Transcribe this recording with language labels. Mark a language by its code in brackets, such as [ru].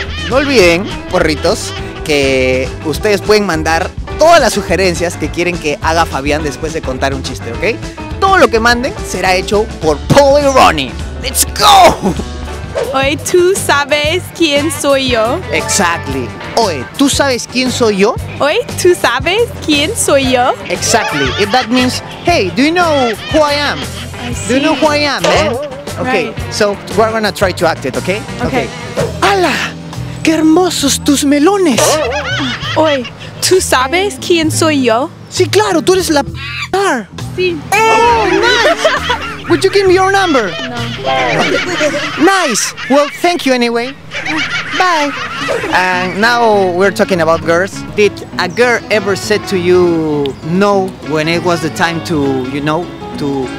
[es] No olviden, porritos, que ustedes pueden mandar todas las sugerencias que quieren que haga Fabián después de contar un chiste, ¿ok? Todo lo que manden será hecho por Paul y Ronnie. [en] ¡Let's go! [es] Oye, ¿tú sabes quién soy yo? [en] Exactly. [es] Oye, ¿tú sabes quién soy yo? Oye, ¿tú sabes quién soy yo? [en] Exactly. If that means, hey, do you know who I am? I see. Do you know who I am, man? Okay, right. So we're gonna try to act it, okay? Okay. [es] ¡Hala! ¡Qué hermosos tus melones! Oye, ¿tú sabes quién soy yo? Sí, claro, tú eres la... Sí. [en] Oh, nice! Would you give me your number? [es] No. [en] Nice! Well, thank you anyway. Bye! And now we're talking about girls. Did a girl ever say to you no when it was the time to, you know, to...